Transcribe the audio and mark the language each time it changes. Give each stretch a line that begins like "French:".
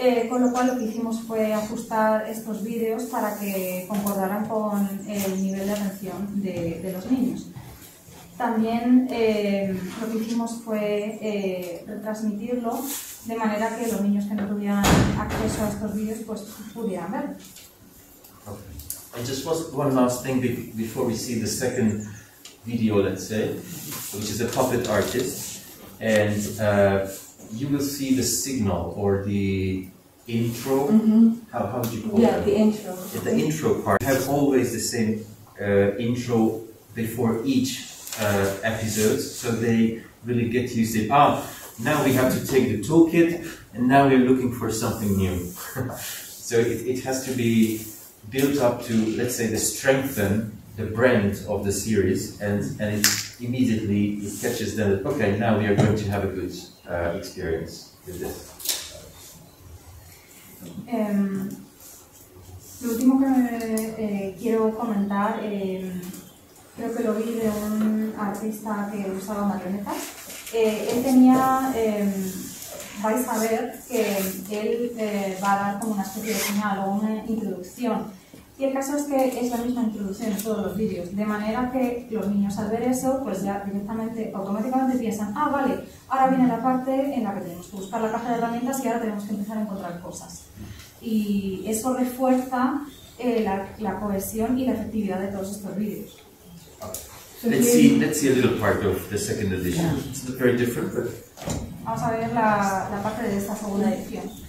Spanish: Con lo cual lo que hicimos fue ajustar estos vídeos para que concordaran con el nivel de atención de los niños. También lo que hicimos fue retransmitirlo de manera que los niños que no tuvieran acceso a estos vídeos pues, pudieran ver.
English: Okay. And just one last thing before we see the second video, let's say, which is a puppet artist. And you will see the signal or the intro. Mm-hmm. How do you call it? Yeah, the intro. Yeah, the intro part. We have always the same intro before each episode, so they really get used to it. Ah, now we have to take the toolkit, and now we're looking for something new. So it has to be built up to, let's say, strengthen the brand of the series, and it immediately it catches them that, okay, now we are going to have a good experience with this.
Spanish: Lo último que quiero comentar, creo que lo vi de un artista que usaba marionetas. Él tenía, vais a ver que él va a dar como una especie de señal o una introducción. Y el caso es que es la misma introducción en todos los vídeos, de manera que los niños al ver eso, pues ya directamente, automáticamente piensan, ah, vale, ahora viene la parte en la que tenemos que buscar la caja de herramientas y ahora tenemos que empezar a encontrar cosas. Y eso refuerza la cohesión y la efectividad de todos estos vídeos.
English: Let's see a little part of the second edition. It's very different, but...
Spanish: Vamos a ver la parte de esta segunda edición.